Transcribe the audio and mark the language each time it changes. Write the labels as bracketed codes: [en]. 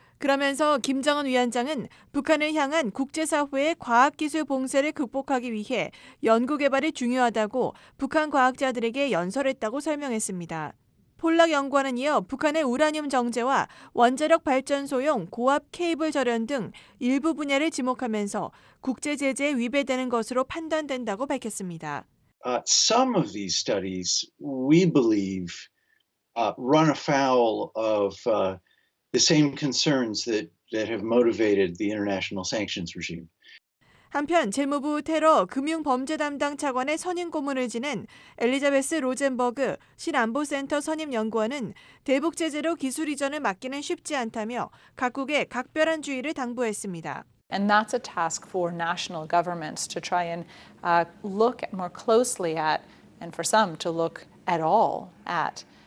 [ko] 그러면서 김정은 위원장은 북한을 향한 국제사회의 과학기술 봉쇄를 극복하기 위해 연구개발이 중요하다고 북한 과학자들에게 연설했다고 설명했습니다. 폴락 연구원은 이어 북한의 우라늄 정제와 원자력 발전소용 고압 케이블 절연 등 일부 분야를 지목하면서 국제 제재에 위배되는 것으로 판단된다고 밝혔습니다. [en] Some of these studies we believe run afoul of the same concerns that have motivated the international sanctions regime. [ko] 한편 재무부 테러 금융범죄 담당 차관의 선임 고문을 지낸 엘리자베스 로젠버그 신안보센터 선임 연구원은 대북 제재로 기술 이전을 막기는 쉽지 않다며 각국에 각별한 주의를 당부했습니다. [en] And that's a task for national governments to try and look more closely at and for some to look at all at.